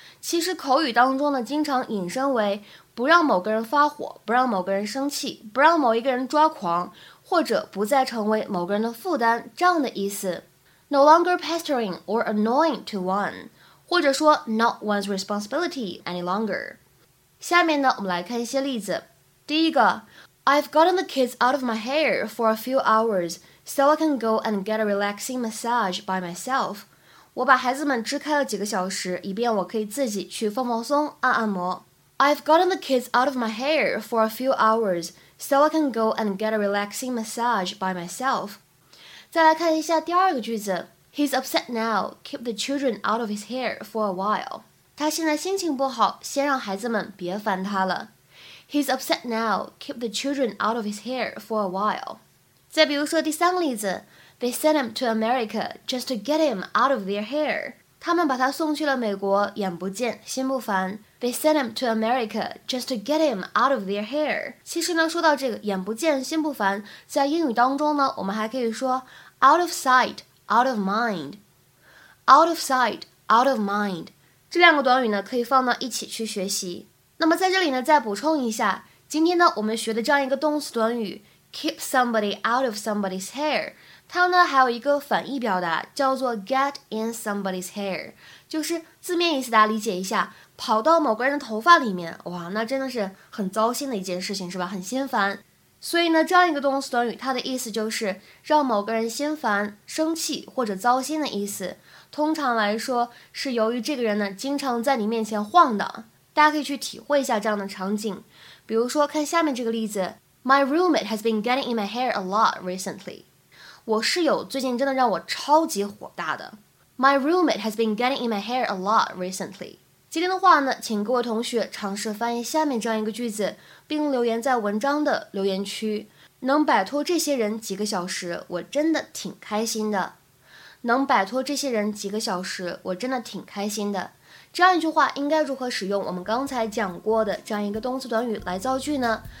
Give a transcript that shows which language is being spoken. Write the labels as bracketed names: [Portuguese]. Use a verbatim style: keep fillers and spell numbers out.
[Chinese] 其实口语当中呢，经常引申为不让某个人发火，不让某个人生气，不让某一个人抓狂，或者不再成为某个人的负担，这样的意思。 [English] No longer pestering or annoying to one， [Chinese] 或者说 [English] not one's responsibility any longer。 [Chinese] 下面呢，我们来看一些例子。第一个 [English] I've gotten the kids out of my hair for a few hours so I can go and get a relaxing massage by myself。 [Chinese] 我把孩子们支开了几个小时，以便我可以自己去放放松，按按摩。 [English] I've gotten the kids out of my hair for a few hours, so I can go and get a relaxing massage by myself. [Chinese] 再来看一下第二个句子 [English] He's upset now, keep the children out of his hair for a while. [Chinese] 他现在心情不好，先让孩子们别烦他了。 [English] He's upset now, keep the children out of his hair for a while. [Chinese] 再比如说第三个例子 [English] They sent him to America just to get him out of their hair. [Chinese] 他们把他送去了美国，眼不见心不烦。 [English] They sent him to America just to get him out of their hair。 [Chinese] 其实呢，说到这个眼不见心不烦，在英语当中呢，我们还可以说 [English] out of sight, out of mind。 Out of sight, out of mind， [Chinese] 这两个短语呢可以放到一起去学习。那么在这里呢再补充一下，今天呢我们学的这样一个动词短语 [English] keep somebody out of somebody's hair， [Chinese] 它呢还有一个反义表达叫做 [English] get in somebody's hair， [Chinese] 就是字面意思大家理解一下，跑到某个人的头发里面，哇，那真的是很糟心的一件事情，是吧？很心烦。所以呢这样一个动词短语，它的意思就是让某个人心烦生气或者糟心的意思，通常来说是由于这个人呢经常在你面前晃荡。大家可以去体会一下这样的场景，比如说看下面这个例子 [English] My roommate has been getting in my hair a lot recently。 [Chinese] 我室友最近真的让我超级火大的。 [English] My roommate has been getting in my hair a lot recently。 [Chinese] 今天的话呢，请各位同学尝试翻译下面这样一个句子，并留言在文章的留言区。能摆脱这些人几个小时，我真的挺开心的。能摆脱这些人几个小时，我真的挺开心的。这样一句话应该如何使用我们刚才讲过的这样一个动词短语来造句呢？